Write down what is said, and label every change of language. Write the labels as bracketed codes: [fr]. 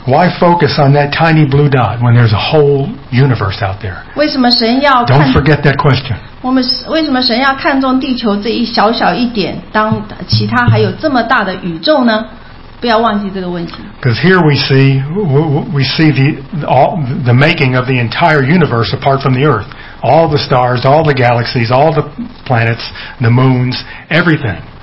[en] Why focus on that tiny blue dot when there's a whole universe out there? [zh] 为什么神要看, [en] Don't forget that question. [zh] 我们为什么神要看重地球这一小小一点，当其他还有这么大的宇宙呢？不要忘记这个问题。 [en] Because here we see the making of the entire universe apart from the earth. All the stars, all the galaxies, all the planets, the moons, everything.